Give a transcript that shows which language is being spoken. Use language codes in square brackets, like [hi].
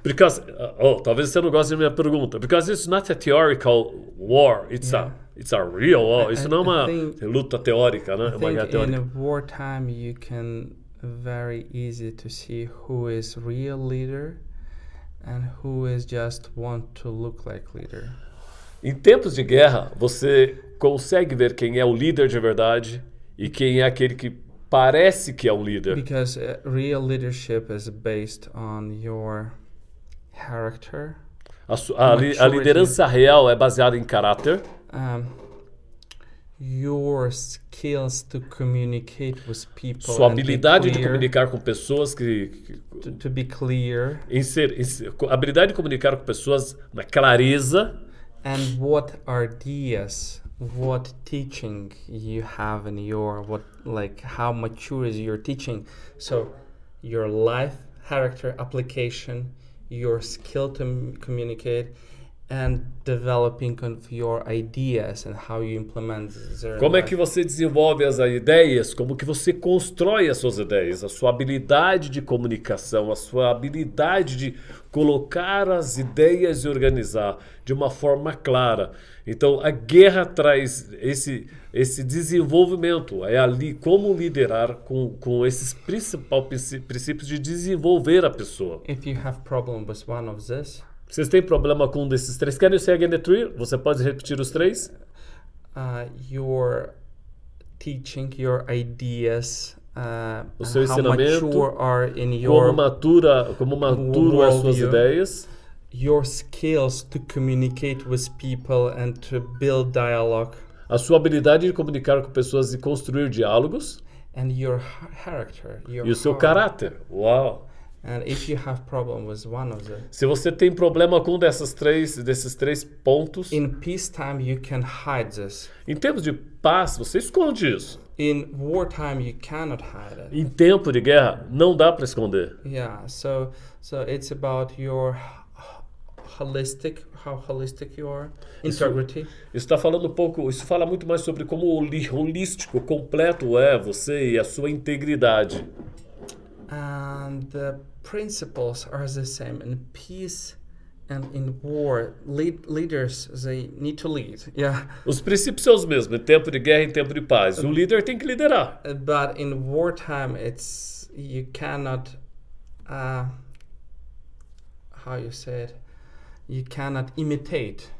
[en] Because, [pt] talvez você não goste da minha pergunta. [en] Because it's not a theoretical war. It's a real war. [pt] Isso não é uma luta teórica, né? [en] I think in a wartime you can very easy to see who is real leader and who is just want to look like leader. [pt] Em tempos de guerra, você consegue ver quem é o líder de verdade e quem é aquele que parece que é um líder. [en] Because real leadership is based on your character. [pt] A liderança real é baseada em caráter. [en] Your skills to communicate with people. [pt] Sua habilidade de comunicar com pessoas [en] To be clear. [pt] Habilidade de comunicar com pessoas na clareza. [en] And what ideas, what teaching you have in your, what, like, how mature is your teaching? So, your life, character, application, your skill to communicate, and developing of your ideas and how you implement their [pt] Como life. É que você desenvolve as ideias? Como que você constrói as suas ideias? A sua habilidade de comunicação, a sua habilidade de colocar as ideias e organizar de uma forma clara. Então, a guerra traz esse desenvolvimento. É ali como liderar com esses principais princípios de desenvolver a pessoa. [en] If you have problem with one of this, [pt] vocês têm problema com um desses três? [en] Can you say again the three? [pt] Você pode repetir os três? [en] Your teaching, your ideas, [pt] o seu ensinamento, [en] how mature are in your [pt] como maturo as suas ideias. [en] Your skills to communicate with people and to build dialogue. [pt] A sua habilidade de comunicar com pessoas e construir diálogos. [en] And your character, your [pt] e o seu caráter. Uau! [en] And if you have problem with one of them. [pt] Se você tem problema com desses três pontos. [en] In peacetime you can hide this. [pt] Em tempos de paz, você esconde isso. [en] In wartime you cannot hide it. [pt] Em tempo de guerra, não dá para esconder. [en] Yeah, so it's about your holistic, how holistic you are, integrity. [pt] Isso tá falando um pouco, isso fala muito mais sobre como holístico, completo é você e a sua integridade. [en] And the principles are the same in peace and in war. Leaders, they need to lead. Yeah. [pt] Os princípios são os mesmos, em tempo de guerra e em tempo de paz. O líder tem que liderar. [en] But in wartime, it's you cannot, how you say it, you cannot imitate.